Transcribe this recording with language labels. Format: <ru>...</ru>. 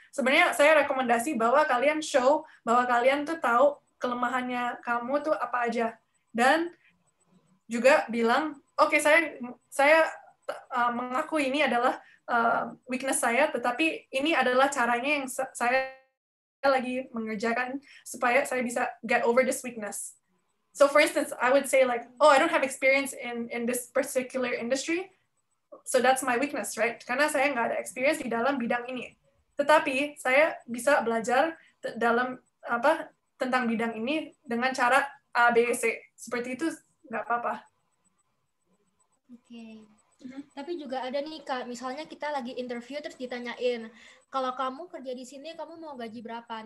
<id>Sebenarnya saya rekomendasi bahwa kalian show bahwa kalian tuh tahu kelemahannya kamu tuh apa aja. Dan juga bilang, okay, saya mengaku ini adalah weakness saya, tetapi ini adalah caranya yang saya lagi mengerjakan supaya saya bisa</id> <en>get over this weakness. So for instance, I would say like, oh, I don't have experience in this particular industry, so that's my weakness, right?</en> <id>Karena saya nggak ada experience di dalam bidang ini. Tetapi saya bisa belajar dalam apa tentang bidang ini dengan cara A, B, C. Seperti itu, nggak apa-apa. Okay. Tapi juga ada nih, Kak, misalnya kita lagi interview terus ditanyain, kalau kamu kerja di sini, kamu mau gaji berapa?</id>